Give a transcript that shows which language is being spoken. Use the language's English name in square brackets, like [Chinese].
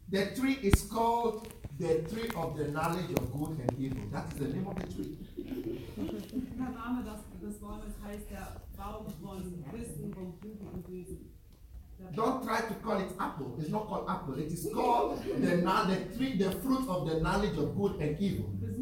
[English] The tree is called the tree of the knowledge of good and evil. That is the name of the tree. [German] Der Name des Baumes heißt der Baum von Wissen vom Guten und Bösen. [English] Don't try to call it apple. It's not called apple. It is called the tree, the fruit of the knowledge of good and evil.